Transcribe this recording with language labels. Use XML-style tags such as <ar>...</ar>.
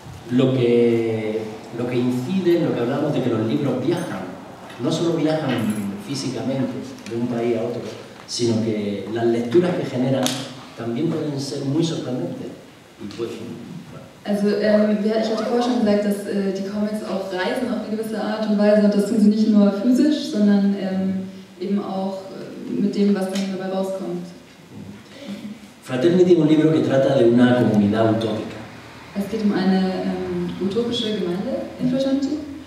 <es>Lo que incide en lo que hablamos de que los libros viajan, no solo viajan físicamente de un país a otro, sino que las lecturas que generan también pueden ser muy sorprendentes. Y pues, bueno.</es> <de>Also, ich hatte vorher schon gesagt, dass die Comics auch reisen auf eine gewisse Art und Weise, und das tun sie nicht nur physisch, sondern eben auch mit dem, was dann dabei rauskommt.</de> <es>Fraternity es un libro que trata de una comunidad utópica.</es> <de>Es geht um eine utopische Gemeinde in Fraternity.</de>